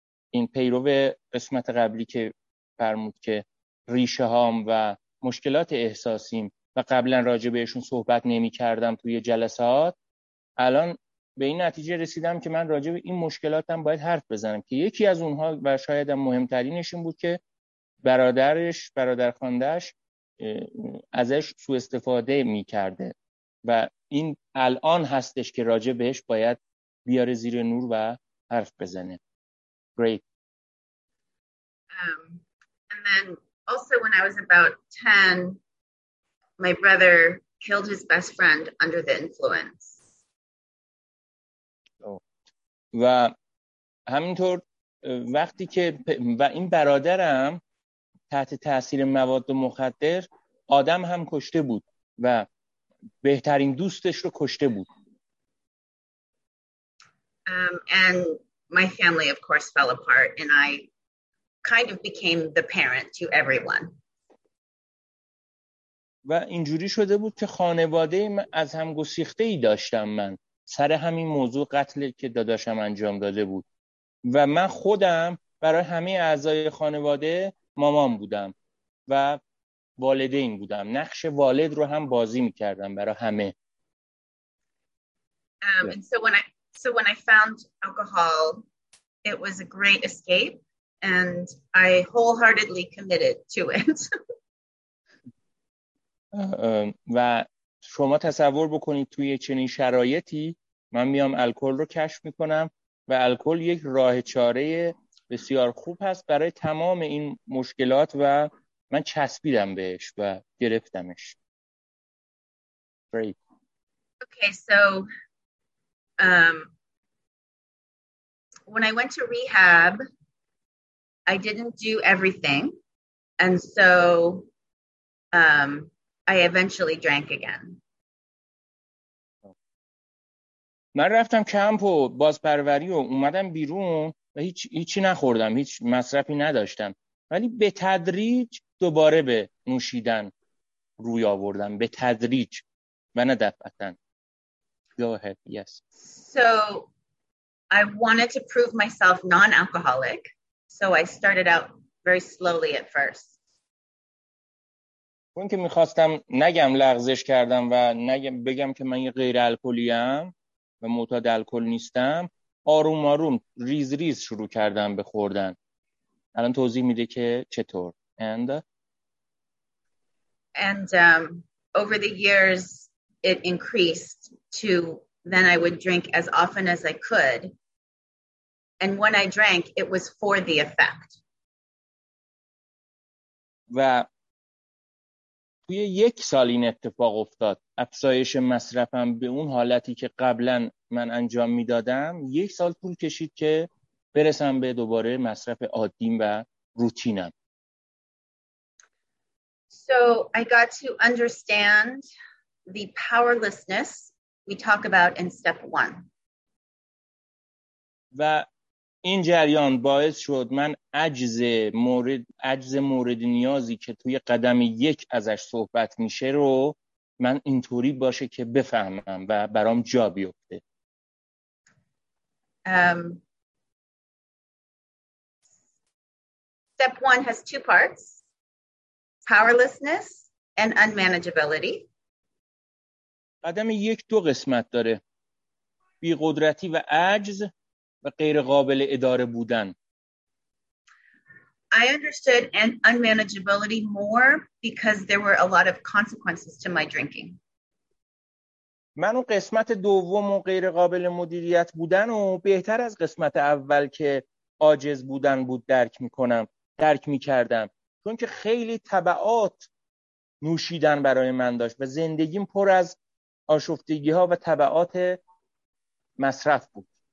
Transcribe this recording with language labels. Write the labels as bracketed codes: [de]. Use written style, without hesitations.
[fa] این پیرو قسمت قبلی که فرمود که ریشه هام و مشکلات احساسیم و قبلا راجع بهشون صحبت نمی کردم توی جلسات، الان به این نتیجه رسیدم که من راجع به این مشکلاتم باید حرف بزنم، که یکی از اونها و شاید هم مهمترینش این بود که برادر خواندهش ازش سوء استفاده می کرده و این الان هستش که راجع بهش باید بیاره زیر نور و حرف بزنه. [en] Great. And then also when I was about 10, my brother killed his best friend under the influence. [fa] و همینطور وقتی که و این برادرم تحت تأثیر مواد مخدر آدم هم کشته بود و بهترین دوستش رو کشته بود. [en] And my family of course fell apart and I kind of became the parent to everyone. [fa] و اینجوری شده بود که خانواده از هم گسیخته ای داشتم من سر همین موضوع قتلی که داداشم انجام داده بود و من خودم برای همه اعضای خانواده مامان بودم و والدین بودم، نقش والد رو هم بازی می‌کردم برای همه. [en] And so when I found alcohol, it was a great escape and I wholeheartedly committed to it. [fa] و شما تصور بکنید توی چنین شرایطی من میام الکل رو کشف می‌کنم و الکل یک راه چاره بسیار خوب هست برای تمام این مشکلات و من چسبیدم بهش و گرفتمش. [en] Great. Okay, so when I went to rehab, I didn't do everything, and so I eventually drank again. [fa] من رفتم کمپ و بازپروری و اومدم بیرون و هیچی نخوردم، هیچ مصرفی نداشتم، ولی به تدریج دوباره به نوشیدن روی آوردم، به تدریج و نه دفعتن. [en] Go ahead. Yes. So I wanted to prove myself non-alcoholic, so I started out very slowly at first. [fa] اون که میخواستم نگم لغزش کردم و نگم بگم که من یه غیر الکلی‌ام و معتاد الکل نیستم، آروم آروم ریز ریز شروع کردم به خوردن. الان توضیح میده که چطور. [en] And over the years it increased to then I would drink as often as I could, and when I drank it was for the effect. [fa] و توی یک سال این اتفاق افتاد، افزایش مصرفم به اون حالتی که قبلا من انجام میدادم یک سال طول کشید که برسم به دوباره مصرف عادیم و روتینم. [en] So I got to understand the powerlessness we talk about in step 1. [fa] و این جریان باعث شد من عجز مورد نیازی که توی قدم یک ازش صحبت میشه رو من اینطوری باشه که بفهمم و برام جا بیفته. [en] Step one has two parts, powerlessness and unmanageability. [fa] قدم یک دو قسمت داره، بی قدرتی و عجز و غیر قابل اداره بودن. [en] I understood an unmanageability more because there were a lot of consequences to my drinking. [fa] من اون قسمت دوم و غیر قابل مدیریت بودن و بهتر از قسمت اول که عاجز بودن بود درک می کردم چون که خیلی تبعات نوشیدن برای من داشت و زندگیم پر از آشفتگی ها و تبعات مصرف بود.